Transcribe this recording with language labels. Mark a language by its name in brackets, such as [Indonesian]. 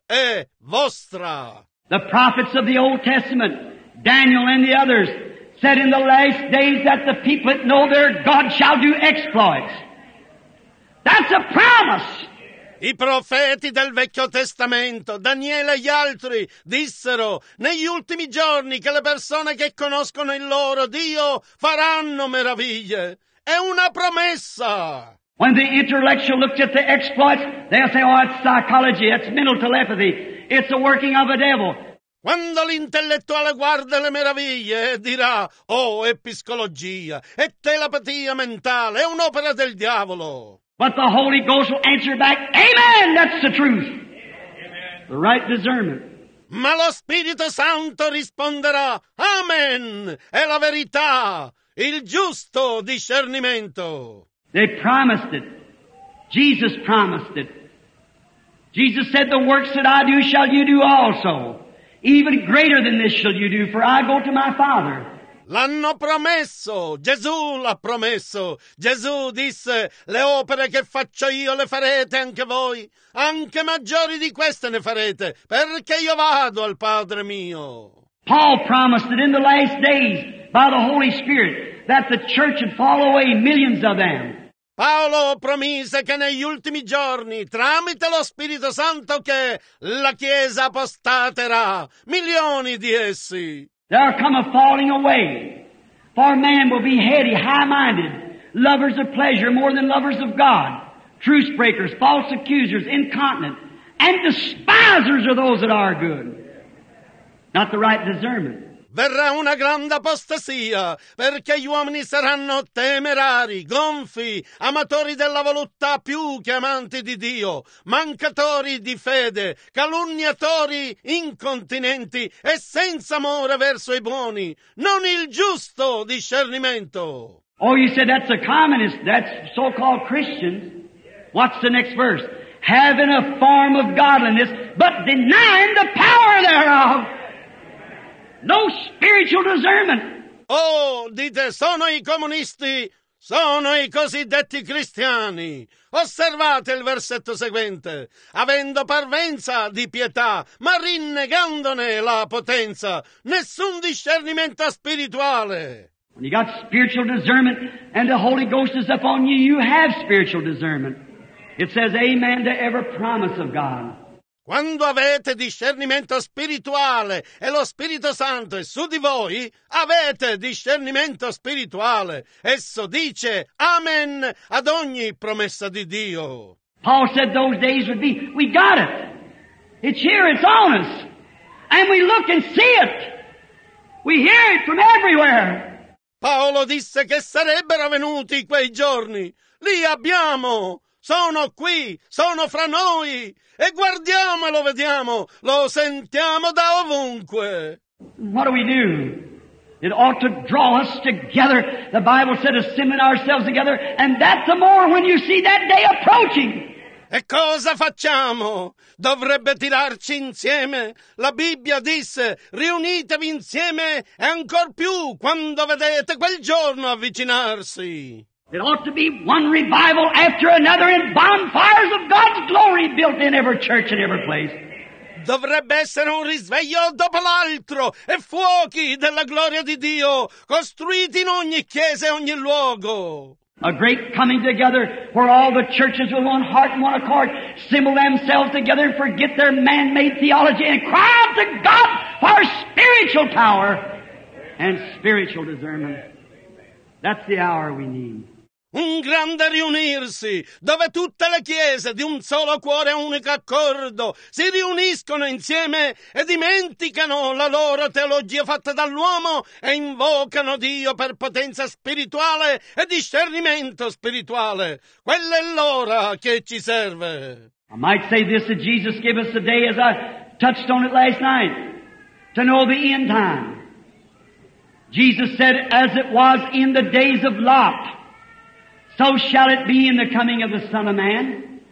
[Italian] È vostra. [English] The prophets of the Old Testament, Daniel and the others, said in the last days that the people that know their God shall do exploits. That's a promise. [Italian] I profeti del Vecchio Testamento, Daniele e gli altri, dissero negli ultimi giorni che le persone che conoscono il loro Dio faranno meraviglie. È una promessa. [English] When the intellectual looks at the exploits, they'll say, oh, it's psychology, it's mental telepathy, it's the working of a devil. [Italian] Quando l'intellettuale guarda le meraviglie e dirà, oh, è psicologia, è telepatia mentale, è un'opera del diavolo. [English] But the Holy Ghost will answer back, amen, that's the truth. Amen. The right discernment. [Italian] Ma lo Spirito Santo risponderà, amen, è la verità, il giusto discernimento. [English] They promised it. Jesus promised it. Jesus said, the works that I do shall you do also. Even greater than this shall you do, for I go to my Father. [Italian] L'hanno promesso, Gesù l'ha promesso. Gesù disse, le opere che faccio io le farete anche voi. Anche maggiori di queste ne farete, perché io vado al Padre mio. [English] Paul promised that in the last days, by the Holy Spirit, that the church would fall away, millions of them. [Italian] Paolo promise che negli ultimi giorni, tramite lo Spirito Santo, che la Chiesa apostaterà, milioni di essi. [English] There will come a falling away, for man will be heady, high-minded, lovers of pleasure more than lovers of God, truce-breakers, false accusers, incontinent, and despisers of those that are good, not the right discernment. [Italian] Verrà una grande apostasia, perché gli uomini saranno temerari, gonfi, amatori della voluttà più che amanti di Dio, mancatori di fede, calunniatori, incontinenti e senza amore verso i buoni, non il giusto discernimento. [English] Oh, you said that's a communist, that's so-called Christian. What's the next verse? Having a form of godliness, but denying the power thereof. No spiritual discernment. [Italian] Oh, dite, sono i comunisti, sono i cosiddetti cristiani. Osservate il versetto seguente. Avendo parvenza di pietà, ma rinnegandone la potenza, nessun discernimento spirituale. [English] When you got spiritual discernment and the Holy Ghost is upon you, you have spiritual discernment. It says amen to every promise of God. [Italian] Quando avete discernimento spirituale e lo Spirito Santo è su di voi, avete discernimento spirituale. Esso dice amen ad ogni promessa di Dio. [English] Paul said those days would be, we got it. It's here, it's on us. And we look and see it. We hear it from everywhere. [Italian] Paolo disse che sarebbero venuti quei giorni. Li abbiamo. Sono qui, sono fra noi, e guardiamo e lo vediamo, lo sentiamo da ovunque. [English] What do we do? It ought to draw us together. The Bible said, assembling ourselves together, and that the more when you see that day approaching. [Italian] E cosa facciamo? Dovrebbe tirarci insieme. La Bibbia disse, riunitevi insieme, e ancor più quando vedete quel giorno avvicinarsi. [English] It ought to be one revival after another in bonfires of God's glory built in every church and every place. [Italian] Dovrebbe essere un risveglio dopo l'altro e fuochi della gloria di Dio costruiti in ogni chiesa e ogni luogo. [English] A great coming together where all the churches with one heart and one accord assemble themselves together and forget their man-made theology and cry out to God for spiritual power and spiritual discernment. That's the hour we need. [Italian] un grande riunirsi, dove tutte le chiese di un solo cuore e unico accordo si riuniscono insieme e dimenticano la loro teologia fatta dall'uomo e invocano Dio per potenza spirituale e discernimento spirituale. Quella è l'ora che ci serve. [English] I might say this that Jesus gave us today as I touched on it last night, to know the end time. Jesus said, as it was in the days of Lot, so shall it be in the coming of the Son of Man.